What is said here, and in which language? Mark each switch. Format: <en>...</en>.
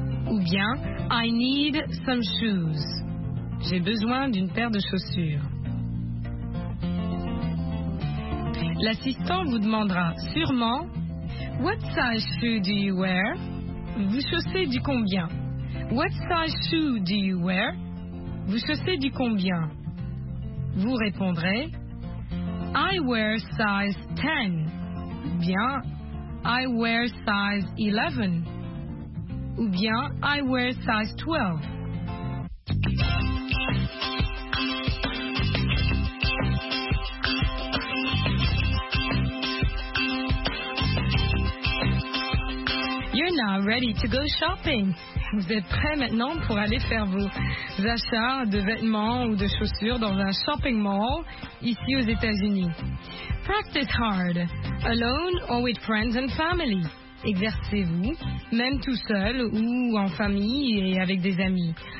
<fr>Ou bien,</fr> <en>I need some shoes.</en> <fr>J'ai besoin d'une paire de chaussures. L'assistant vous demandera sûrement,</fr> <en>what size shoe do you wear?</en> <fr>Vous chaussez du combien?</fr> <en>What size shoe do you wear?</en> <fr>Vous chaussez du combien? Vous répondrez,</fr> <en>I wear size 10.</en> <fr>Bien,</fr> <en>I wear size 11.</en> <fr>Ou bien,</fr> <en>I wear size 12. Ready to go shopping.</en> <fr>Vous êtes prêts maintenant pour aller faire vos achats de vêtements ou de chaussures dans un shopping mall ici aux États-Unis.</fr> <en>Practice hard, alone or with friends and family.</en> <fr>Exercez-vous, même tout seul ou en famille et avec des amis.</fr>